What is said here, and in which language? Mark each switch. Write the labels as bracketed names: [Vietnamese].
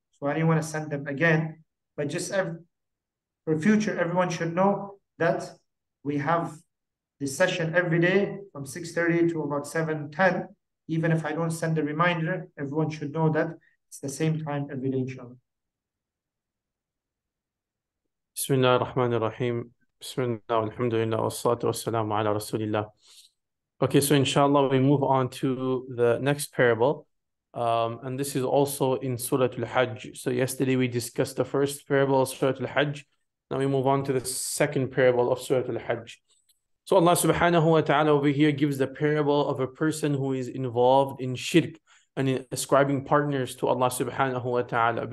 [English] So I didn't want to send them again. But just for future, everyone should know that we have this session every day from 6:30 to about 7:10. Even if I don't send a reminder, everyone should know that it's the same time every day, inshallah. [Arabic] بسم الله الرحمن الرحيم بسم الله والحمد لله والصلاة والسلام على رسول الله. [English] Okay, so inshallah we move on to the next parable, and this is also in Surah Al-Hajj. So yesterday we discussed the first parable of Surah Al-Hajj. Now we move on to the second parable of Surah Al-Hajj. So Allah Subhanahu wa Taala over here gives the parable of a person who is involved in shirk and in ascribing partners to Allah Subhanahu wa Taala.